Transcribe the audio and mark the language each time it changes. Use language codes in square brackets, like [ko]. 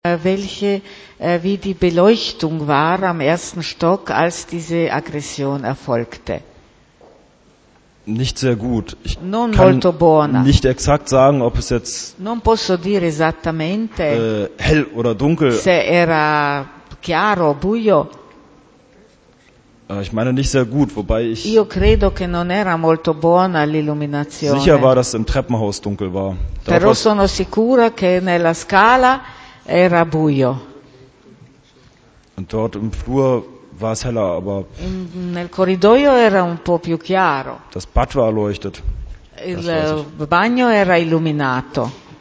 [de] wie die Beleuchtung war am ersten Stock, als diese Aggression erfolgte. Nicht sehr gut. Ich non kann [it] molto buona. [de] Nicht exakt sagen, ob es jetzt [it] non posso dire esattamente, [de] hell oder dunkel. [it] Se era chiaro, buio. [de] Ich meine nicht sehr gut, wobei ich [it] io credo che non era molto buona l'illuminazione. [de] Sicher war, dass es im Treppenhaus dunkel war. [it] Però sono sicura che nella scala era buio. [de] Und dort im Flur war es heller, aber [it] nel corridoio era un po' più chiaro. [de] Das Bad war erleuchtet. [it] Il bagno era illuminato.